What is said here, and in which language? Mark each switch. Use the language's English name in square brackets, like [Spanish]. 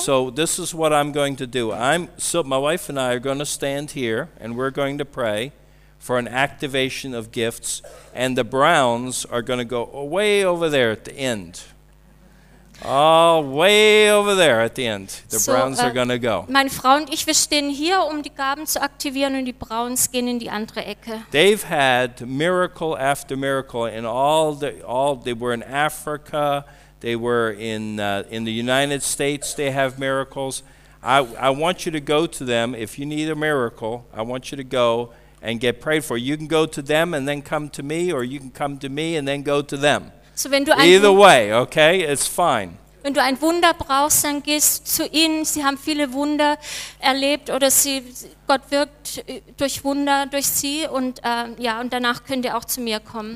[English] So this is what I'm going to do. My wife and I are going to stand here and we're going to pray for an activation of gifts, and the Browns are going to go way over there at the end. Oh, way over there at the end. The Browns are going to go. [German] Meine Frau und ich, wir stehen hier, um die Gaben zu aktivieren, und die Browns gehen in die andere Ecke. [English] They've had miracle after miracle in they were in Africa, they were in the United States, they have miracles. I want you to go to them. If you need a miracle, I want you to go and get prayed for. You can go to them and then come to me, or you can come to me and then go to them. [German] So wenn du [English] either way, okay, it's fine. [German] Wenn du ein Wunder brauchst, dann gehst zu ihnen. Sie haben viele Wunder erlebt, oder Gott wirkt durch Wunder durch sie, und ja, und danach könnt ihr auch zu mir kommen.